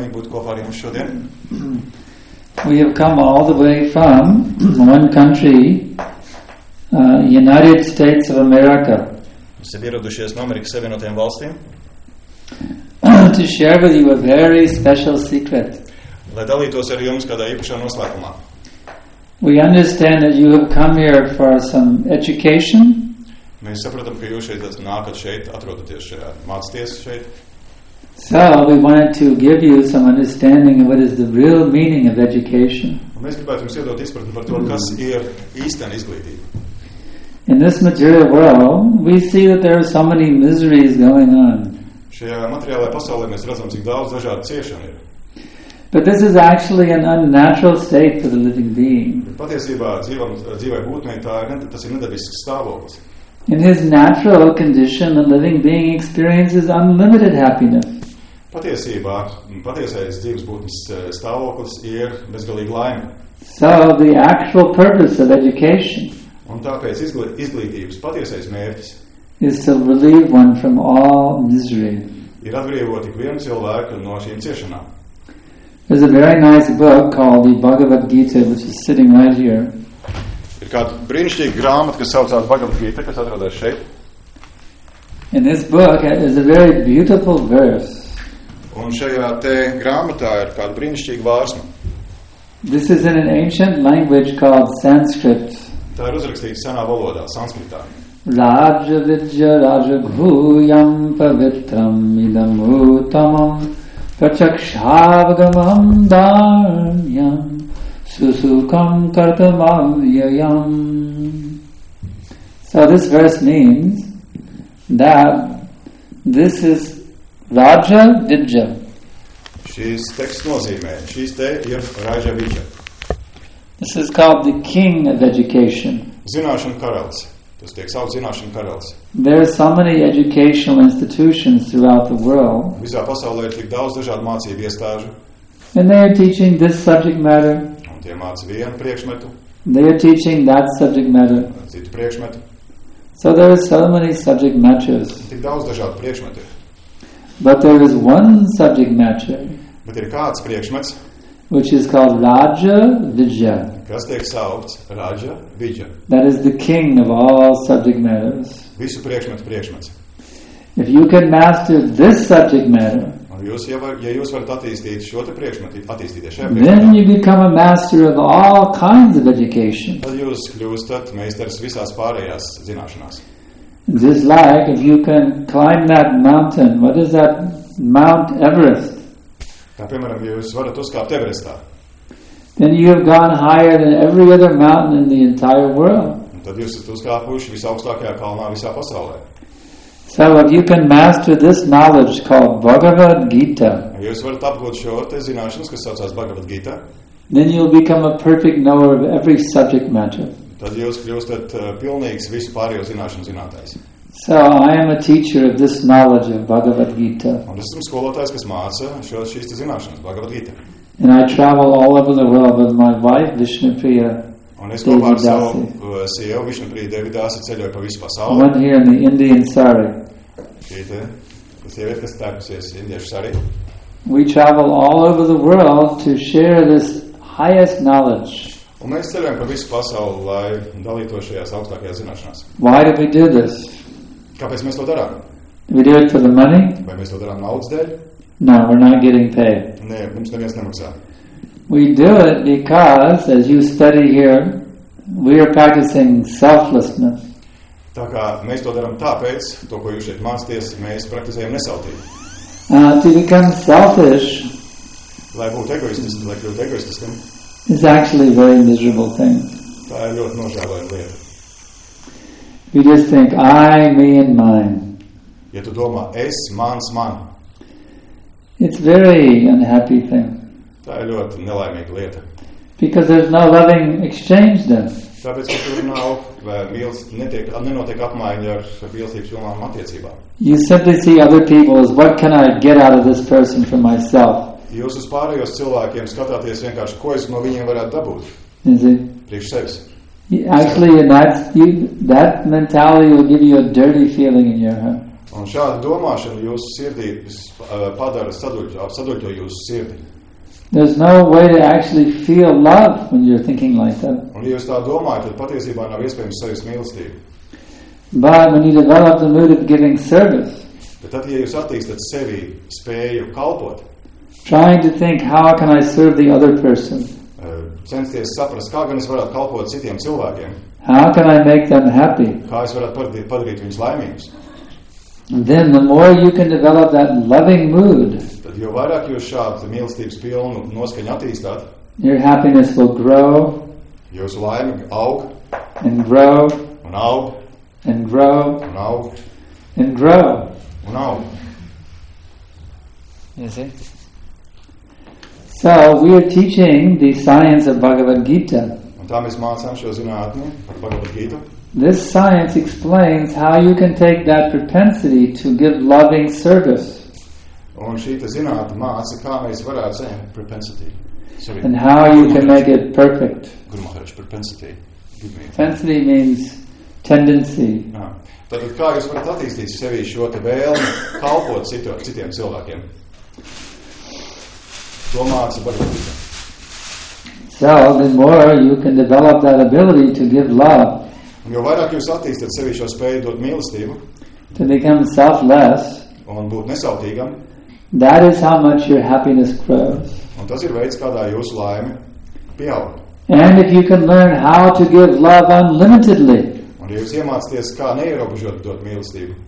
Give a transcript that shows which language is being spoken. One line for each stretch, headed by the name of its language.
English: We have come all the way from one country, United States of America, to share with you a very special secret.
Latvian: Lai dalītos ar jums kādā īpašā noslēpumā.
English: We understand that you have come here for some education.
Latvian: Mēs saprotam, ka jūs šeit nākat šeit, atrodaties šajā, mācties šeit.
English: So, we wanted to give you some understanding of what is the real meaning of education.
Latvian: Un mēs gribētu jums iedot izpratni par to, kas ir īstā izglītība.
English: In this material world, we see that there are so many miseries going on.
Latvian: Šajā materiālajā pasaulē mēs redzam, cik daudz dažādu ciešanu ir.
English: But this is actually an unnatural state for the living being.
Latvian: Patiesībā dzīvai būtnei tas ir nedabisks stāvoklis.
English: In his natural condition, the living being experiences unlimited happiness.
Latvian: Patiesībā, patiesais dzīves būtnes stāvoklis ir bezgalīga laime.
English: So the actual purpose of education.
Latvian: Un tāpēc izglītības patiesais mērķis
English: is to relieve one from all misery.
Latvian: Ir atbrīvot tik vienu cilvēku no šīm ciešanām.
English: There's a very nice book called the Bhagavad Gita, which is sitting right here.
Latvian: Ir kāda brīnišķīga grāmata, kas saucās Bhagavad Gita, kas atrodas šeit.
English: In this book is a very beautiful verse.
Latvian: Un šajā te grāmatā ir kāda brīnišķīga vārsma.
English: This is in an ancient language called Sanskrit.
Latvian: Tā ir uzrakstīta senā valodā, Sanskritā.
Sanskrit: Raja vidya raja bhūyam pavitram idam utamam Pachakshavagamam dharmyam susukam kartamavyayam.
English: So this verse means that this is Raja Vidya.
Latvian: Šis teksts nozīmē, šis te ir Raja Vidya.
English: This is called the king of education.
Latvian: Zināšana karalis. Tas tiek saukts zināšana karalis.
English: There are so many educational institutions throughout the world.
Latvian: Visā pasaulē ir tik daudz dažādu mācību iestāžu.
English: And they are teaching this subject matter.
Latvian: Un tie māca vienu priekšmetu.
English: They are teaching that subject matter.
Latvian: Citu priekšmeti.
English: So there are so many subject matters.
Latvian: Tik daudz dažādu priekšmetu.
English: But there is one subject matter.
Latvian: Bet ir kāds priekšmets,
English: which is called Raja Vidya.
Latvian: Kas tiek saukts Raja Vidya.
English: That is the king of all subject matters.
Latvian: Visu priekšmetu priekšmets.
English: If you can master this subject matter,
Latvian: ja jūs varat attīstīt šo te priekšmetu, attīstīt šajā priekšmetā,
English: then you become a master of all kinds of education.
Latvian: Tad jūs kļūstat meistars visās pārējās zināšanās.
English: This like, if you can climb that mountain, what is that Mount Everest?
Latvian: Tā, piemēram, ja jūs varat uzkāpt Everestā,
English: then you have gone higher than every other mountain in the entire world.
Latvian: Tad jūs esat uzkāpuši visaugstākajā kalnā visā pasaulē.
English: So if you can master this knowledge called Bhagavad Gita,
Latvian: jūs varat apgūt šo te zināšanas, kas saucās Bhagavad Gita,
English: then you'll become a perfect knower of every subject matter.
Latvian: Tad jūs kļūstat pilnīgs visu pārējo zināšanu zinātājs.
English: So I am a teacher of this knowledge of Bhagavad Gita.
Latvian: Un es esmu skolotājs, kas māca šīs te zināšanas Bhagavad Gita.
English: And I travel all over the world with my wife Vishnupriya.
Latvian: Un es kopā ar savu sievu Vishnupriya Devi Dasi ceļoju pa visu pasauli.
English: One here in the Indian sari.
Latvian: Šīte, sieviete, kas tēpusies indiešu sari.
English: We travel all over the world to share this highest knowledge.
Latvian: Un mēs ceļojam pa visu pasauli, lai dalītos šajās augstākajās zināšanās.
English: Why do we do this?
Latvian: Kāpēc mēs to darām?
English: We do it for the money?
Latvian: Vai mēs to darām naudas dēļ?
English: No, we're not getting paid.
Latvian: Nē, mums neviens nemaksā.
English: We do it because, as you study here, we are practicing selflessness.
Latvian: Tā kā mēs to darām tāpēc, to, ko jūs šeit mācāties, mēs praktizējam nesautību.
English: To become selfish,
Latvian: lai būtu egoistiski, lai kļūtu egoistiskam,
English: is actually a very miserable thing.
Latvian: Tā ir ļoti nožēlojama lieta.
English: We just think, I, me and mine.
Latvian: Ja tu domā, es, mans, man.
English: It's very unhappy thing.
Latvian: Tā ir ļoti nelaimīga lieta.
English: Because there's no loving exchange then.
Latvian: Tāpēc, ka tur nav, vai mīls, netiek, nenotiek apmaiņa ar mīlestības pilnām attiecībām.
English: You simply see other people as, what can I get out of this person for myself?
Latvian: Jūs uz pārējos cilvēkiem skatāties vienkārši, ko es no viņiem varētu dabūt. Priekš sevis.
English: Actually, that mentality will give you a dirty feeling in your heart.
Latvian: Un šāda domāšana jūsu sirdī padara saduļo jūsu sirdī.
English: There's no way to actually feel love when you're thinking like that.
Latvian: Un ja jūs tā domājat, tad patiesībā nav iespējams sajust mīlestību.
English: But when you develop the mood of giving service,
Latvian: bet tad, ja jūs attīstat sevī spēju kalpot,
English: trying to think, how can I serve the other person?
Latvian: Censties saprast, kā gan es varētu kalpot citiem cilvēkiem.
English: How can I make them happy?
Latvian: Kā es varētu padarīt viņus laimīgus?
English: Then the more you can develop that loving mood,
Latvian: tad jo vairāk jūs šādu mīlestības pilnu noskaņu attīstāt,
English: your happiness will grow,
Latvian: jūsu laime aug,
English: and grow,
Latvian: un aug,
English: and grow,
Latvian: un aug,
English: and grow,
Latvian: un aug.
English: You see? So we are teaching the science of Bhagavad Gita.
Latvian: Un tā mēs mācām šo zinātni par Bhagavad Gita.
English: This science explains how you can take that propensity to give loving service.
Latvian: Un šī te zinātne māca, kā mēs varētu saņemt propensity.
English: And how you can make it perfect. Guru Maharaj, propensity. Propensity means tendency.
Latvian: Tātad kā jūs varat attīstīt sevī šo te vēlmi kalpot citiem cilvēkiem?
English: So the more you can develop that ability to give love,
Latvian: un jo vairāk jūs attīstat sevi šo spēju dot mīlestību,
English: to become selfless,
Latvian: un būt nesautīgam,
English: that is how much your happiness grows.
Latvian: Un tas ir veids, kādā jūsu laime pieaug.
English: And if you can learn how to give love unlimitedly,
Latvian: un ja jūs iemācaties, kā neierobežot dot mīlestību,